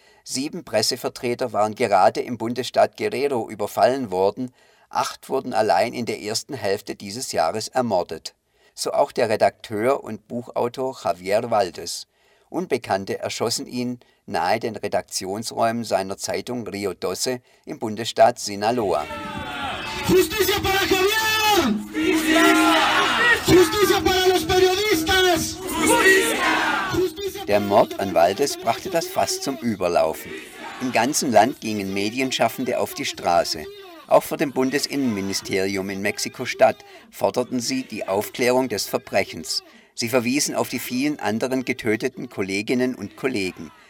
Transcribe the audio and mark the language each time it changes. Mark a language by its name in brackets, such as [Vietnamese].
[German] 7 Pressevertreter waren gerade im Bundesstaat Guerrero überfallen worden, 8 wurden allein in der ersten Hälfte dieses Jahres ermordet. So auch der Redakteur und Buchautor Javier Valdes. Unbekannte erschossen ihn nahe den Redaktionsräumen seiner Zeitung Rio Doce im Bundesstaat Sinaloa. [Spanish] Justicia para Javier! Justicia! Justicia para los periodistas! Justicia! [German] Der Mord an Valdes brachte das Fass zum Überlaufen. Im ganzen Land gingen Medienschaffende auf die Straße. Auch vor dem Bundesinnenministerium in Mexiko-Stadt forderten sie die Aufklärung des Verbrechens. Sie verwiesen auf die vielen anderen getöteten Kolleginnen und Kollegen.